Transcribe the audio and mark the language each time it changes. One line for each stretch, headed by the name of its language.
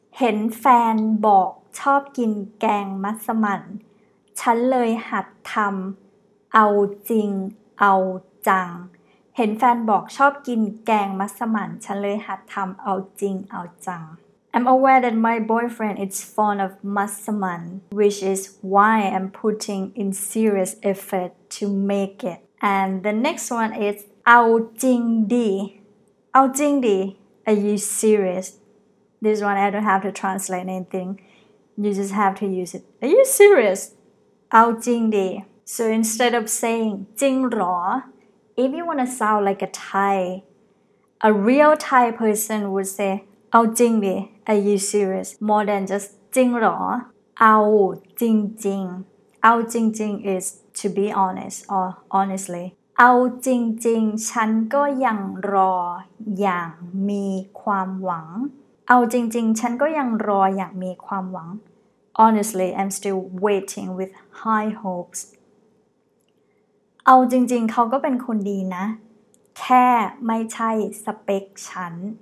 Thai: เห็นแฟนบอกชอบกินแกงมัสมั่นฉันเลยหัดทำเอาจริงเอาจังเห็นแฟนบอกชอบกินแกงมัสมั่นฉันเลยหัดทำเอาจริงเอาจัง
English: I'm aware that my boyfriend is fond of masaman which is why I'm putting in serious effort to make it and the next one is
Thai: เอาจริงดี เอาจริงดี
English: Are you serious? This one I don't have to translate anything you just have to use it Are you serious?
Thai: เอาจริงดี
English: So instead of saying
Thai: จริงหรอ
English: If you want to sound like a Thai, a real Thai person would say,
Thai: เอาจริงดิ
English: Are you serious? More than just
Thai: จริงหรอ เอาจริงจริง เอาจริงๆ
English: is to be honest or honestly
Thai: เอาจริงๆฉันก็ยังรออย่างมีความหวังเอาจริงๆฉันก็ยังรออย่างมีความหวัง
English: honestly I'm still waiting with high hopes
Thai: เอาจริงๆเขาก็เป็นคนดีนะแค่ไม่ใช่สเปคฉัน